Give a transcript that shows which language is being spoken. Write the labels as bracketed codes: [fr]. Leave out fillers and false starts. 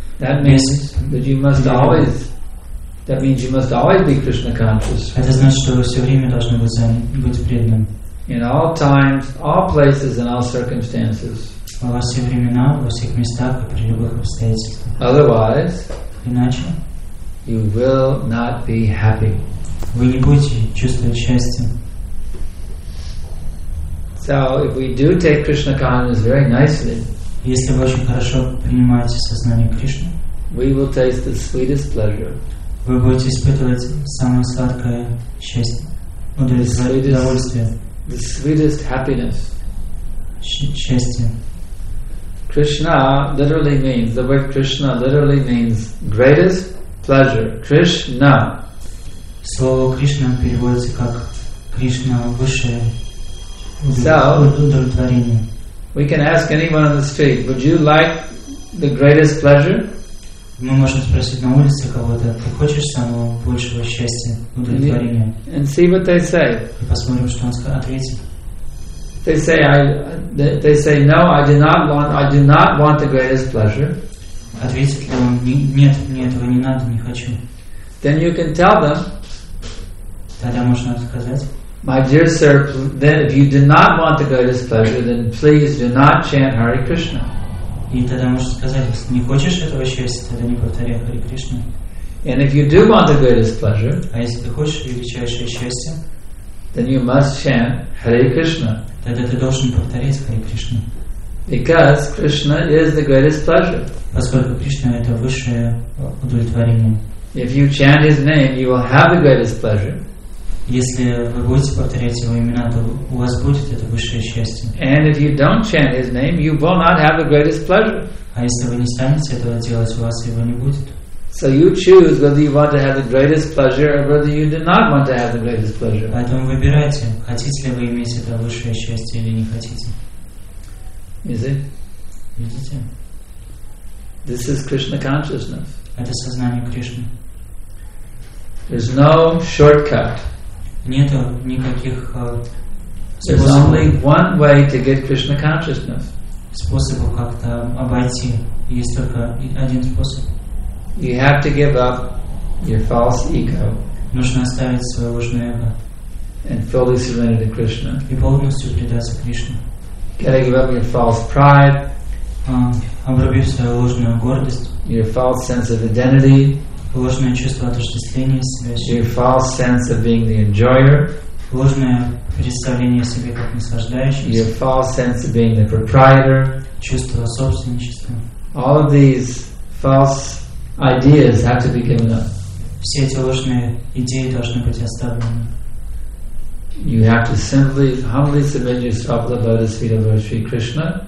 [en] that means that you must always, that means you must always be Krishna conscious. [ru] Это значит, что вы все время должны быть преданным. [en] In all times, all places, and all circumstances. [ru] Во все времена, во всех местах и при любых обстоятельствах. [en] Otherwise, [ru] иначе, [en] you will not be happy. [ru] Вы не будете чувствовать счастье. [en] So, if we do take Krishna consciousness very nicely, [ru] если вы очень хорошо принимаете сознание Кришны, [en] we will taste the sweetest pleasure. [ru] Вы будете испытывать самое сладкое счастье, удовольствие. [en] The sweetest happiness. [ru] Счастье. [en] Krishna literally means, the word Krishna literally means greatest pleasure. Krishna. [ru] Слово Кришна переводится как Кришна, высшее удовлетворение. [en] We can ask anyone on the street, would you like the greatest pleasure? [ru] Мы можем спросить на улице кого-то, ты хочешь самого большего счастья, удовлетворения? [en] And see what they say. [ru] И посмотрим, что он ответит. [en] They say no, I do not want the greatest pleasure. [ru] Ответит ли он, нет, мне этого не надо, не хочу. [en] Then you can tell them. [ru] Тогда можно сказать. [en] My dear sir, then if you do not want the greatest pleasure, then please do not chant Hare Krishna. [ru] И тогда можно сказать, если не хочешь этого счастья, тогда не повторяй Хари Кришну. [en] And if you do want the greatest pleasure, [ru] а если ты хочешь величайшее счастье, [en] then you must chant Hare Krishna. [ru] Тогда ты должен повторять Хари Кришну. [en] Because Krishna is the greatest pleasure. [ru] Поскольку Кришна это высшее удовлетворение. [en] If you chant his name, you will have the greatest pleasure. [ru] Если вы будете повторять его имена, то у вас будет это высшее счастье. [en] And if you don't chant his name, you will not have the greatest pleasure. [ru] А если вы не станете этого делать, у вас его не будет. [en] So you choose whether you want to have the greatest pleasure or whether you do not want to have the greatest pleasure. [ru] Поэтому выбирайте, хотите ли вы иметь это высшее счастье или не хотите. Видите? [en] This is Krishna consciousness. [ru] Это сознание Кришны. [en] There's no shortcut. [ru] Нету никаких способов. [en] There's only one way to get Krishna consciousness. [ru] Способу как-то обойти. Есть только один способ. [en] You have to give up your false ego. [ru] Нужно оставить свое ложное эго. [en] And fully surrender to Krishna. [ru] И полностью предаться Кришне. [en] Gotta give up your false pride. [ru] Обрубив свою ложную гордость. [en] Your false sense of identity. [ru] Ложное чувство отождествления себя. [en] Your false sense of being the enjoyer. [ru] Ложное представление о себе как наслаждающемся. [en] Your false sense of being the proprietor. [ru] Чувство собственничества. [en] All of these false ideas have to be given up. [ru] Все эти ложные идеи должны быть оставлены. [en] You have to simply humbly submit yourself to the lotus feet of Lord Sri Krishna.